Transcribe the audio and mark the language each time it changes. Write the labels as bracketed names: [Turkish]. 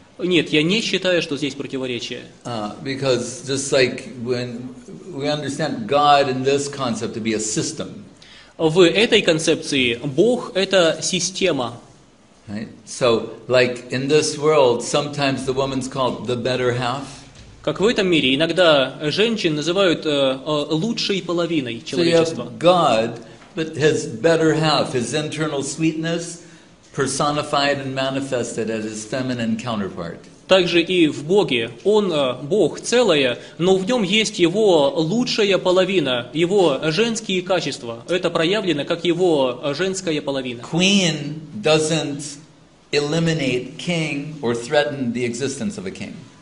[Russian] Нет, я не считаю, что здесь противоречие. [English] Because just like when we understand God in this concept to be a system. [Russian] В этой концепции Бог — это система. [English] Right? So, like in this world, sometimes the woman's called the better half. [Russian] Как в этом мире, иногда женщин называют лучшей половиной человечества. [English] So you have God, but his better half, his internal sweetness, personified and manifested as his feminine counterpart. [Russian] Также и в Боге. Он Бог целое, но в нем есть его лучшая половина, его женские качества. Это проявлено как его женская половина. [English] Queen doesn't eliminate king or threaten the existence of a king.